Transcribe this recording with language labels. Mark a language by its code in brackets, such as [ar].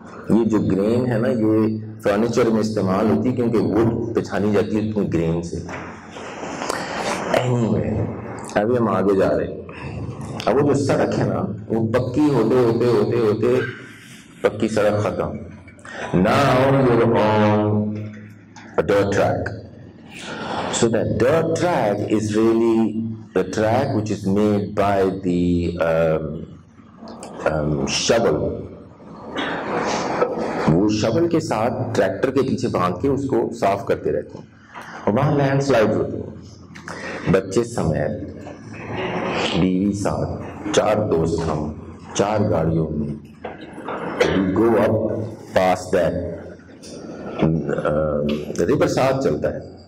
[hi] ये जो ग्रेन है ना ये फर्नीचर में इस्तेमाल होती है क्योंकि वुड पहचानी जाती है ग्रेन से. एनीवे अभी हम आगे जा रहे हैं. अब वो जो सड़क है ना वो पक्की होते होते होते होते पक्की सड़क खत्म. [en] Now you are on a dirt track. So that dirt track is really the track which is made by the shovel. [hi] वो शवल के साथ ट्रैक्टर के पीछे बांध के उसको साफ करते रहते हैं और वहां लैंडस्लाइड होती है. बच्चे समेत बीवी साथ चार दोस्त हम चार गाड़ियों में [en] go up past that river [hi] साथ चलता है.